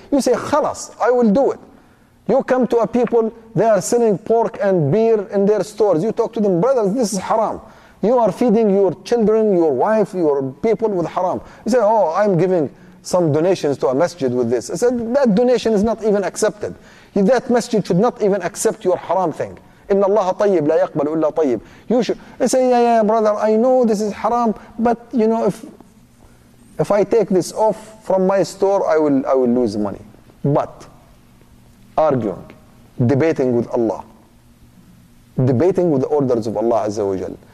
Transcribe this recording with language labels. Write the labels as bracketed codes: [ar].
[en] You say, khalas, I will do it. You come to a people, they are selling pork and beer in their stores. You talk to them, brothers, this is haram. You are feeding your children, your wife, your people with haram. You say, oh, I'm giving some donations to a masjid with this. I said, that donation is not even accepted. That masjid should not even accept your haram thing. [ar] إن الله طيب لا يقبل إلا طيب. [en] You should say, yeah, brother, I know this is haram, but you know, if I take this off from my store, I will lose money. But arguing, debating with Allah, debating with the orders of Allah Azza wa Jal.